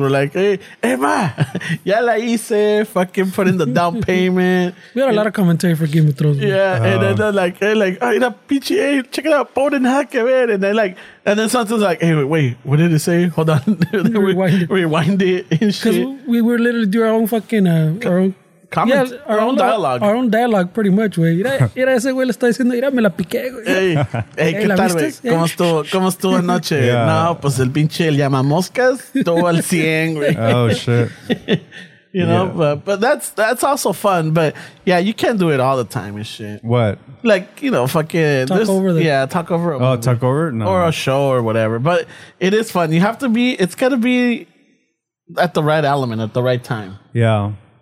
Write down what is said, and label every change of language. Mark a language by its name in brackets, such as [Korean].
[English] We're like, hey, Emma, [Spanish] ya la hice, [English] fucking put in the down payment. We had a lot of commentary for Game of Thrones. Yeah, and then they're like, hey, like, oh, you know, PGA, check it out, Bowden Hack, man. And they're like, and then something's like, hey, wait, what did it say? Hold on. rewind it and shit. Because we were literally doing our own fucking... Our own dialogue. Our own dialogue, pretty much, güey. [Spanish] Mira, ese güey le está diciendo, mira, me la piqué, güey. Hey, ¿qué tal, güey? ¿Cómo estuvo anoche? Yeah. No, pues el pinche el llamamoscas, todo al 100, güey. [English] Oh, shit. You know, yeah. but that's also fun. But yeah, you can't do it all the time and shit. What? Like, you know, fucking talk over a movie. Oh, talk over? No. Or a show or whatever. But it is fun. You have to be, it's got to be at the right element at the right time. Yeah.